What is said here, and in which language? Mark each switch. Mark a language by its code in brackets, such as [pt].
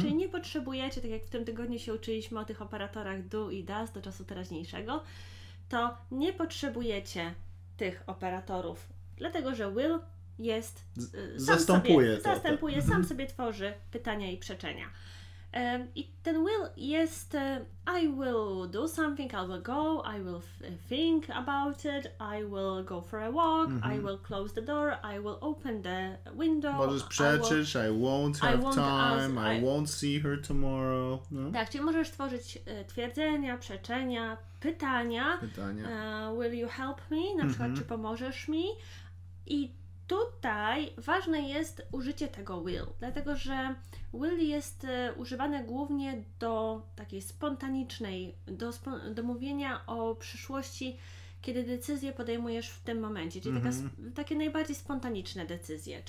[pl] Czyli nie potrzebujecie, tak jak w tym tygodniu się uczyliśmy o tych operatorach do i does do czasu teraźniejszego, to nie potrzebujecie tych operatorów, dlatego że will jest zastępuje, sam sobie tworzy pytania i przeczenia. I ten will jest [en] I will do something, I will go, I will think about it, I will go for a walk, I will close the door, I will open the window. [pl] Możesz przeczyć, [en] I won't have time, I won't see her tomorrow. [pl] No? Tak, czyli możesz tworzyć twierdzenia, przeczenia, pytania. [en] Will you help me? [pl] Na przykład, czy pomożesz mi? I tutaj ważne jest użycie tego will, dlatego że will jest używane głównie do takiej spontanicznej, do mówienia o przyszłości, kiedy decyzję podejmujesz w tym momencie, czyli takie najbardziej spontaniczne decyzje.